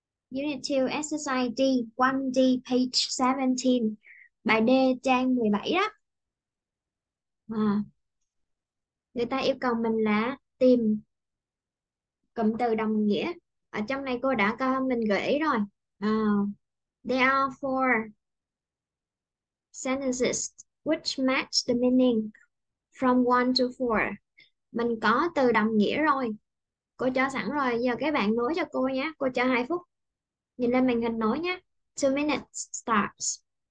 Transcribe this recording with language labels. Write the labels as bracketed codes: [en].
[en] Unit 2 exercise D, 1D page 17. [vi] Bài D trang 17 đó. Người ta yêu cầu mình là tìm cụm từ đồng nghĩa. Ở trong này cô đã cho mình gợi ý rồi. [en] There are four sentences which match the meaning from one to four. [vi] Mình có từ đồng nghĩa rồi. Cô cho sẵn rồi. Giờ các bạn nối cho cô nhé. Cô cho 2 phút. Nhìn lên màn hình nối nhé. [en] 2 minutes starts.